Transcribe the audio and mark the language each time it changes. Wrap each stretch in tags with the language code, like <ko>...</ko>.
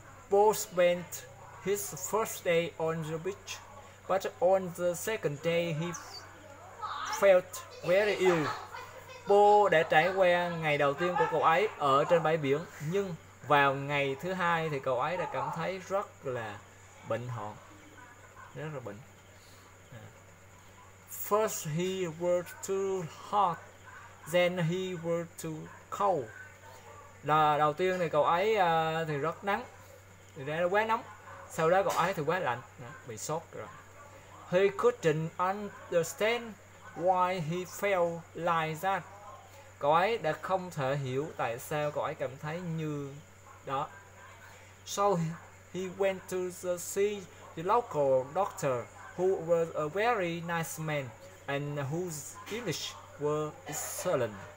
<en>Paul spent his first day on the beach, but on the second day he felt very ill.</en> <vi>Paul đã trải qua ngày đầu tiên của cậu ấy ở trên bãi biển, nhưng vào ngày thứ hai thì cậu ấy đã cảm thấy rất là bệnh hoạn, rất là bệnh.</vi> <en>First he was too hot, then he was too cold.</en> <vi>Là đầu tiên thì cậu ấy thì rất nắng, thì quá nóng. Sau đó cậu ấy thì quá lạnh, bị sốt rồi.</vi> <en>He couldn't understand why he felt like that.</en> <vi>Cậu ấy đã không thể hiểu tại sao cậu ấy cảm thấy như đó.</vi> <en>So he went to see the local doctor, who was a very nice man and whose English were excellent.</en>